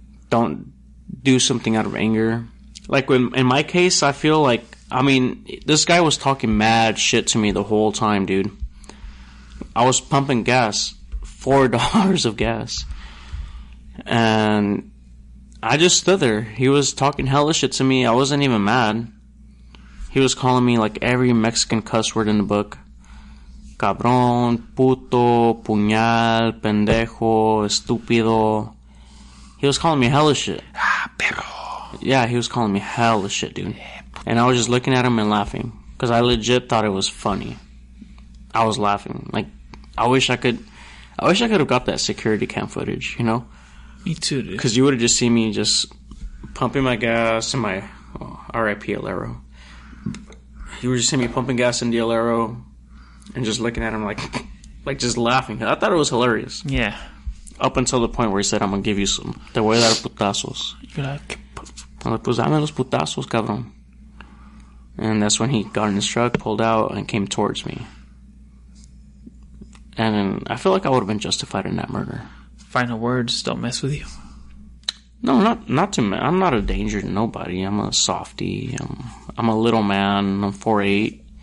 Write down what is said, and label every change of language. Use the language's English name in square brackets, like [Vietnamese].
[English] Don't do something out of anger. Like in my case, I feel like, I mean, this guy was talking mad shit to me the whole time, dude. I was pumping gas, $4 of gas. And I just stood there. He was talking hella shit to me. I wasn't even mad. He was calling me like every Mexican cuss word in the book. [Spanish] Cabrón, puto, puñal, pendejo, estúpido. [English] He was calling me hella shit. [Spanish] Ah, perro. [English] Yeah, he was calling me hella shit, dude. And I was just looking at him and laughing. Because I legit thought it was funny. I was laughing. Like, I wish I could have got that security cam footage, you know? Me too, dude. Because you would have just seen me just pumping my gas in my RIP Alero. You would just see me pumping gas in the Alero and just looking at him like just laughing. I thought it was hilarious. Yeah. Up until the point where he said, I'm going to give you some. [Spanish] Te voy a dar putazos. [English] I'm like, [Spanish] pues dame los putazos, cabrón. [English] And that's when he got in his truck, pulled out, and came towards me. And I feel like I would have been justified in that murder. Final words, don't mess with you. No, not to me. I'm not a danger to nobody. I'm a softy. I'm a little man. I'm 4'8".